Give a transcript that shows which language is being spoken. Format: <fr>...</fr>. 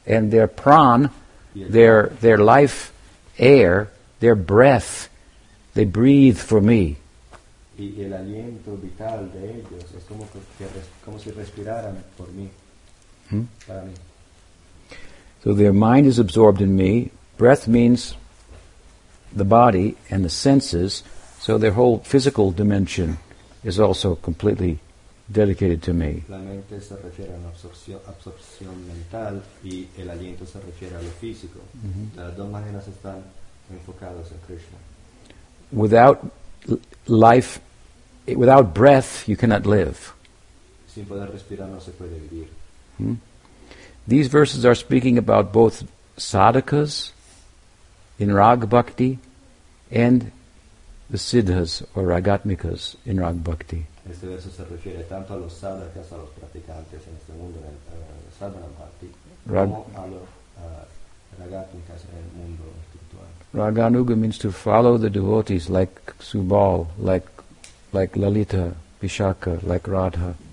<en>And their prana, their life air, their breath, they breathe for me.</en> <es>Y el aliento vital de ellos es como, como si respiraran por mí, para mí.</es> <en>So their mind is absorbed in me. Breath means the body and the senses. So their whole physical dimension is also completely dedicated to me.</en> <es>La mente se refiere a la absorción mental y el aliento se refiere a lo físico. Mm-hmm. Las dos maneras están enfocadas en Krishna.</es> <en>Without breath, you cannot live.</en> <es>Sin poder respirar, no se puede vivir.</es> <en>These verses are speaking about both sadhakas in rag bhakti and the siddhas or ragatmikas in rag bhakti.</en> <es>Este verso se refiere tanto a los sadhakas, a los practicantes en este mundo del sadhana bhakti, como a los ragatmikas en el mundo espiritual.</es> <en>Raganuga means to follow the devotees like Subal, like Lalita, Vishaka, like Radha.</en>